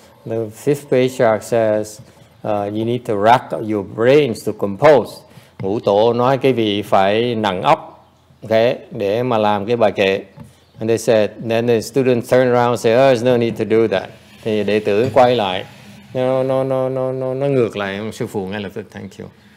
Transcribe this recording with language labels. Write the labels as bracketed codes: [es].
[en] The fifth patriarch says, "You need to rack your brains to compose." [vi] Ngũ tổ nói cái vị phải nặng óc, okay, để mà làm cái bài kệ. [en] And they said, then the student turned around and said, oh, there's no need to do that. [vi] Thì đệ tử quay lại, nó ngược lại, sư phụ ngay lập tức, [en] thank you.